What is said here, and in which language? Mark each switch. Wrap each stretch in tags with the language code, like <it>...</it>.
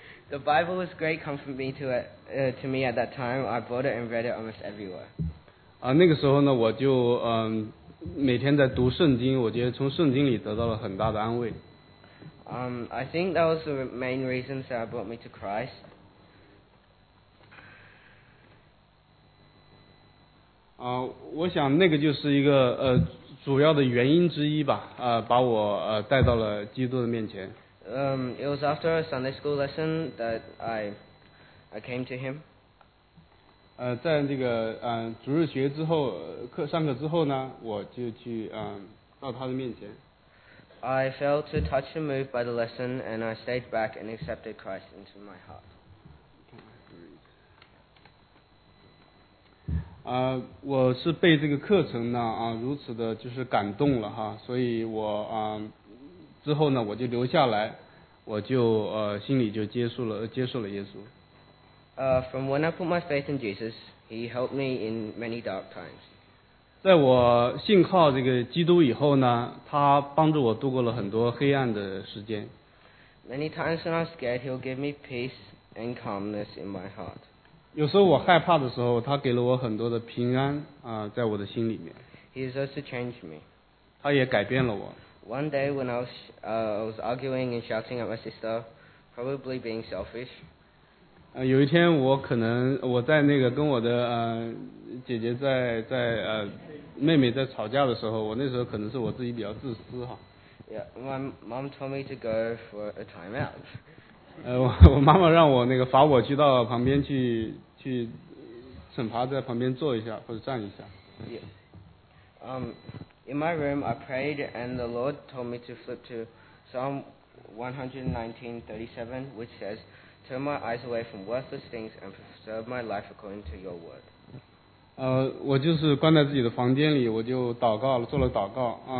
<en>The Bible was great comfort to me at that time. I bought it and read it almost everywhere.</en> <zh>那个时候呢，我就每天在读圣经，我觉得从圣经里得到了很大的安慰。</zh> <en>I think that was the main reason that brought me to Christ.</en> <zh>我想那个就是一个主要的原因之一吧，把我带到了基督的面前。</zh> <en>It was after a Sunday school lesson that I came to him.</en> <zh>在这个主日学之后课上课之后呢，我就去到他的面前。</zh> <en>I felt too touched and moved by the lesson, and I stayed back and accepted Christ into my heart.</en> <zh>我是被这个课程呢如此的就是感动了哈，所以我之后呢我就留下来，我就心里就接受了耶稣。</zh> <en>From when I put my faith in Jesus, he helped me in many dark times.</en> <zh>在我信靠这个基督以后呢，他帮助我度过了很多黑暗的时间。</zh> <en>Many times when I'm scared, he'll give me peace and calmness in my heart.</en> <zh>有时候我害怕的时候，他给了我很多的平安在我的心里面。</zh> <en>He has also changed me.</en> <zh>他也改变了我。</zh> <en>One day when I was arguing and shouting at my sister, probably being selfish.</en> <zh>有一天我在那个跟我的姐姐在妹妹在吵架的时候，我那时候可能是我自己比较自私哈。</zh> <en>Yeah, my mom told me to go for a timeout.</en> <zh>我妈妈让我那个罚我去到旁边去惩罚，在旁边坐一下或者站一下。</zh> <en>Yeah. In my room, I prayed, and the Lord told me to flip to Psalm 119:37, which says. Turn my eyes away from worthless things and preserve my life according to your word.</en> <zh>我就是关在自己的房间里，我就祷告了，做了祷告。</zh>